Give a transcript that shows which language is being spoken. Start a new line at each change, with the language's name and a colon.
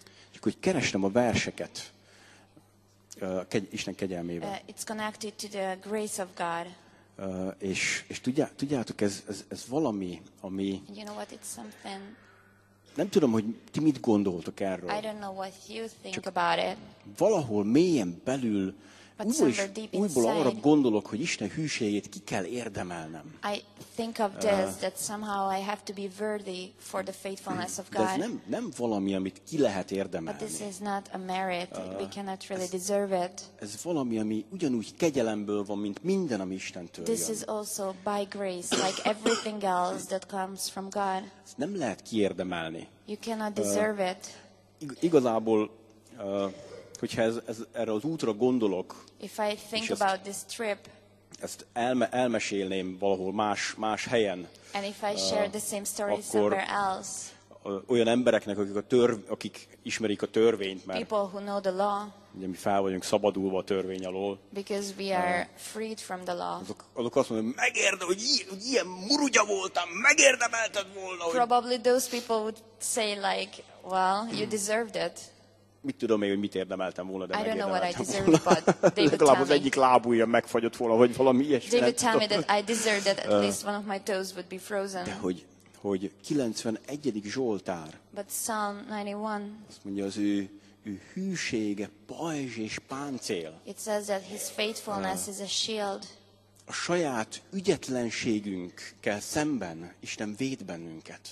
Hungarian: Csak úgy kerestem a verseket Isten kegyelmével.
English: It's connected to the grace of God.
Hungarian: És tudjátok, ez valami, ami...
English: You know what, it's something.
Hungarian: Nem tudom, hogy ti mit gondoltok erről.
English: I don't know what you think about it.
Hungarian: Valahol mélyen belül újból arra gondolok, hogy Isten hűségét ki kell érdemelnem.
English: I think of this that somehow I have to be worthy for the faithfulness of God.
Hungarian: De ez nem valami, amit ki lehet érdemelni.
English: But this is not a merit. We cannot really deserve it.
Hungarian: Ez valami, ami ugyanúgy kegyelemből van, mint minden, ami Istentől jön.
English: This is also by grace, like everything else that comes from God.
Hungarian: Ezt nem lehet kiérdemelni.
English: You cannot deserve it.
Hungarian: Igazából hogyha erre az útra gondolok,
English: if I think about this trip,
Hungarian: ezt elmesélném valahol más helyen,
English: and if I share the same story somewhere else,
Hungarian: olyan embereknek, akik ismerik a törvényt, mert
English: people who know the law,
Hungarian: ugye mi fel vagyunk szabadulva a törvény alól,
English: because we are freed from the law.
Hungarian: Azok azt mondják, hogy ilyen murugya voltam, megérdemelted volna.
English: Probably those people would say like, well, you deserved it.
Hungarian: Mit tudom én, hogy mit érdemeltem volna, de megérdemeltem volna.
English: I don't know what I deserved, but David
Hungarian: legalább az egyik lábujjam megfagyott volna, vagy valami ilyesmi.
English: David tell me that I deserved that at least one of my toes would be frozen.
Hungarian: De hogy 91. Zsoltár.
English: But Psalm 91.
Hungarian: Azt mondja, az ő hűsége pajzs és páncél.
English: It says that his faithfulness is a shield.
Hungarian: A saját ügyetlenségünkkel szemben Isten véd bennünket.